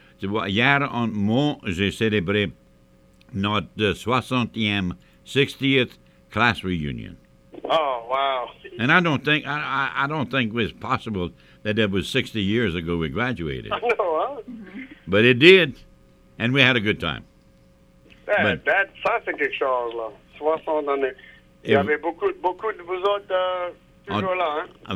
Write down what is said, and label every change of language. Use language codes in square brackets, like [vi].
[fr] Tu vois, hier, j'ai célébré notre 60e [en] 60th class reunion. Oh, wow. And I don't think it was possible that it was 60 years ago we graduated. I know, huh? But it did, and we had a good time. That's a good show, là. [fr] 60 ans. Il y avait beaucoup de vous autres toujours là, hein?